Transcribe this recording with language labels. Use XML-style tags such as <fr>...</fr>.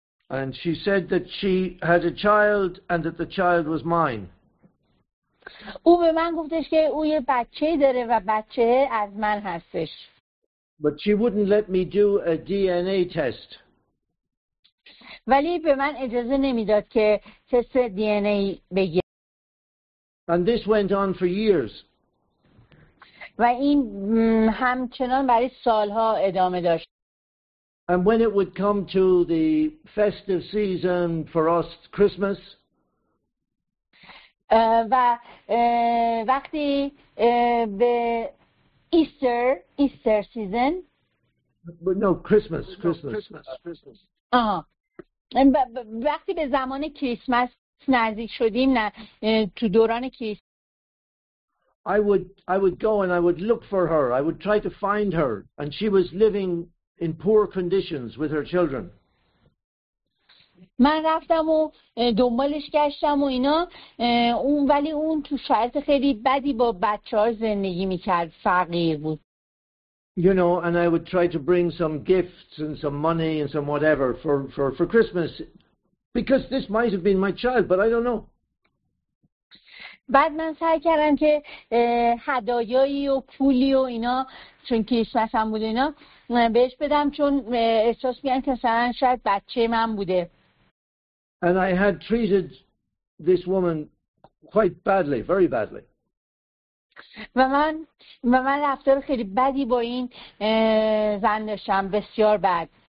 <en>And she said that she had a child and that the child was mine.</en> <fa>او به من گفتش که او یه بچه داره و بچه از من هستش.</fa> <en>But she wouldn't let me do a DNA test.</en> <fa>ولی به من اجازه نمیداد که تست دی ان ای بگیرم.</fa> <en>And this went on for years.</en> <fa>و این همچنان برای سالها ادامه داشت.</fa> <en>And when it would come to the festive season for us, Christmas.</en> <fa>و وقتی به</fa> <en>Easter season. But no, Christmas.</en> <fa>آها. وقتی به زمان کریسمس نزدیک شدیم نه تو دوران کریسمس.</fa> <en>I would go and I would look for her. I would try to find her, and she was living in poor conditions with her children.</en> <fa>من رفتم و دنبالش گشتم و اینا اون ولی اون تو شرایط خیلی بدی با بچه‌ها زندگی می‌کرد فقیر بود.</fa> <en>You know, and I would try to bring some gifts and some money and some whatever for Christmas, because this might have been my child, but I don't know.</en> <fa>بعد من سعی کردم که هدایایی و پولی و اینا چون کریسمس هم بود اینا بهش بدم چون احساس می‌کردم که مثلا شاید بچه من بوده.</fa> <en>And I had treated this woman quite badly, very badly.</en> <fa>و من رفتار خیلی بدی با این زن داشتم بسیار بد.</fa>